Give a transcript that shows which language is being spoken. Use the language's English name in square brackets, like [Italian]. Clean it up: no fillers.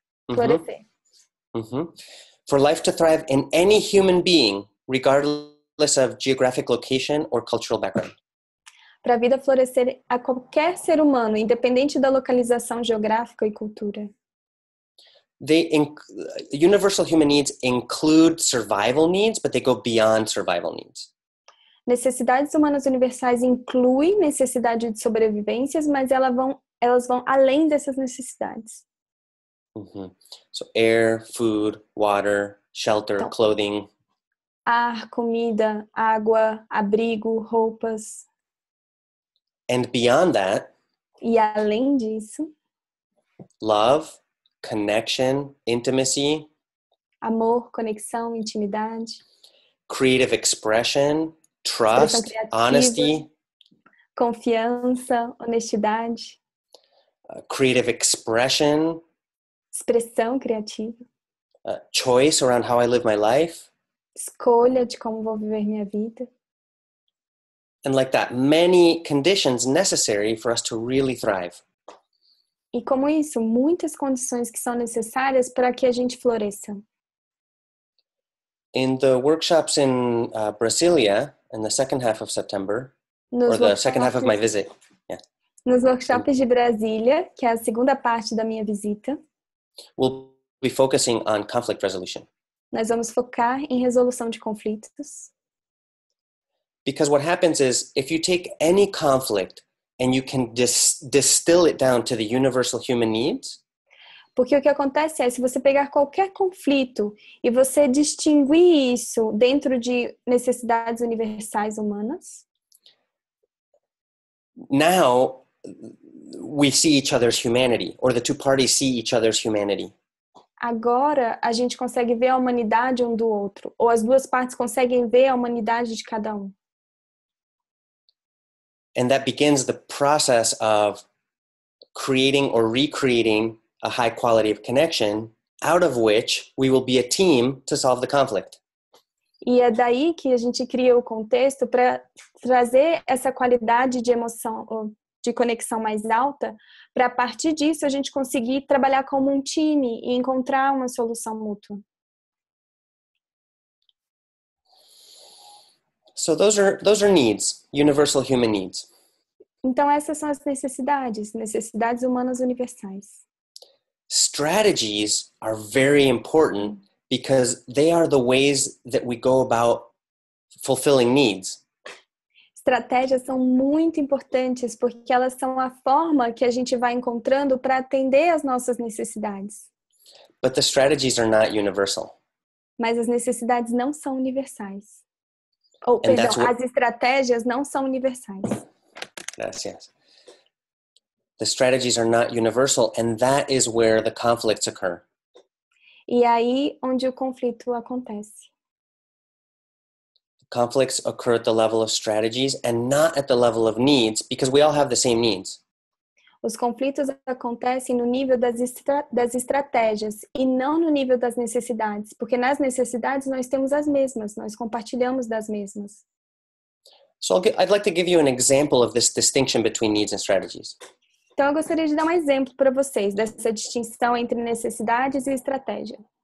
[Portuguese] Florecer. [English] Uh-huh. Uh-huh. For life to thrive in any human being, regardless of geographic location or cultural background. [Portuguese] para a vida florescer a qualquer ser humano, independente da localização geográfica e cultura. [English] Universal human needs include survival needs, but they go beyond survival needs. [Portuguese] Necessidades humanas universais incluem necessidade de sobrevivências, mas elas vão além dessas necessidades. [English] Uhum. So air, food, water, shelter, [Portuguese] então, [English] clothing. [Portuguese] Ar, comida, água, abrigo, roupas. [English] And beyond that. [Portuguese] E além disso. [English] Love, connection, intimacy. [Portuguese] Amor, conexão, intimidade. [English] Creative expression, trust, honesty. [Portuguese] Confiança, honestidade. [English] Creative expression. [Portuguese] Expressão criativa. [English] Choice around how I live my life. [Portuguese] Escolha de como vou viver minha vida. [English] And like that, many conditions necessary for us to really thrive. [Portuguese] E como isso, muitas condições que são necessárias para que a gente floresça. [English] In the workshops in Brasília, in the second half of September, [Portuguese] Nos workshops de Brasília, que é a segunda parte da minha visita, [English] we'll be focusing on conflict resolution. [Portuguese] Nós vamos focar em resolução de conflitos. [English] Because what happens is, if you take any conflict and you can distill it down to the universal human needs. [Portuguese] Porque o que acontece é, se você pegar qualquer conflito e você distinguir isso dentro de necessidades universais humanas. [English] Now, we see each other's humanity, or the two parties see each other's humanity. [Portuguese] Agora a gente consegue ver a humanidade um do outro, ou as duas partes conseguem ver a humanidade de cada um. [English] And that begins the process of creating or recreating a high quality of connection, out of which we will be a team to solve the conflict. [Portuguese] E é daí que a gente cria o contexto para trazer essa qualidade de emoção, de conexão mais alta, para a partir disso a gente conseguir trabalhar como um time e encontrar uma solução mútua. [English] So those are needs, universal human needs. [Portuguese] Então essas são as necessidades, necessidades humanas universais. [English] Strategies are very important because they are the ways that we go about fulfilling needs. [Portuguese] Estratégias são muito importantes porque elas são a forma que a gente vai encontrando para atender as nossas necessidades. [English] But the strategies are not universal. [Portuguese] Mas as necessidades não são universais. Ou, and perdão, as estratégias não são universais. [Spanish] Gracias. [English] The strategies are not universal, and that is where the conflicts occur. [Portuguese] E aí onde o conflito acontece. [English] Conflicts occur at the level of strategies and not at the level of needs, because we all have the same needs. [Portuguese] Os conflitos acontecem no nível das estratégias e não no nível das necessidades, porque nas necessidades nós temos as mesmas, nós compartilhamos das mesmas. [English] So I'd like to give you an example of this distinction between needs and strategies. [Portuguese] Então eu gostaria de dar um exemplo para vocês dessa distinção entre necessidades e estratégia.